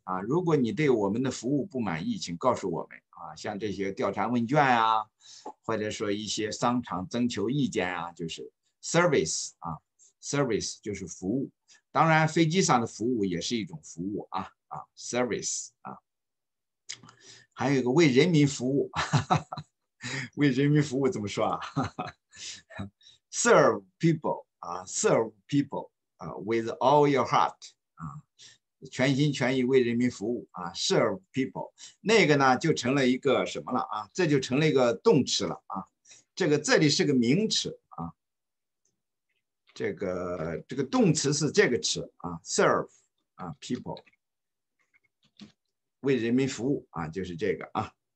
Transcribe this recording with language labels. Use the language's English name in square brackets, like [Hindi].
[Chinese] 啊，如果你对我们的服务不满意，请告诉我们。啊，像这些调查问卷啊，或者说一些商场征求意见啊，就是 service 啊 ，service 就是服务。当然，飞机上的服务也是一种服务啊啊 ，service 啊。还有一个为人民服务，为人民服务怎么说啊？ [English] Serve people。 Serve people, with all your heart, [Chinese] 全心全意为人民服务啊。 Serve people, 那个呢就成了一个什么了啊？这就成了一个动词了啊。这个这里是个名词啊。这个动词是这个词啊 ，serve 啊 ，people， 为人民服务啊，就是这个啊。